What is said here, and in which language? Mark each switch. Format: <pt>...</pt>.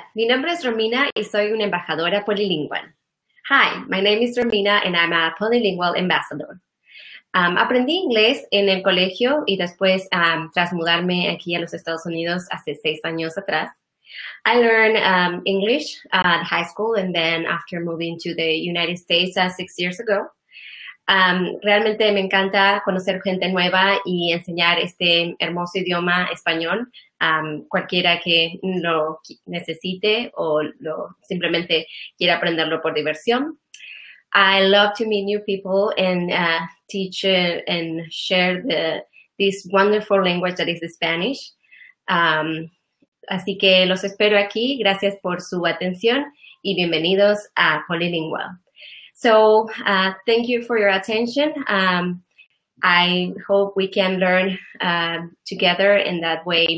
<es>Mi nombre es Romina y soy una embajadora polilingüe.</es> <en>Hi, my name is Romina and I'm a polilingual ambassador.</en> <es>Aprendí inglés en el colegio y después tras mudarme aquí a los Estados Unidos hace 6 años atrás.</es> <en>I learned English at high school and then after moving to the United States 6 years ago.</en> <es>Realmente me encanta conocer gente nueva y enseñar este hermoso idioma español a cualquiera que lo necesite o lo simplemente quiera aprenderlo por diversión.</es> <en>I love to meet new people and teach and share this wonderful language that is Spanish.</en> <es>Así que los espero aquí. Gracias por su atención y bienvenidos a Polilingua.</es> <en>So, thank you for your attention. I hope we can learn together in that way.</en>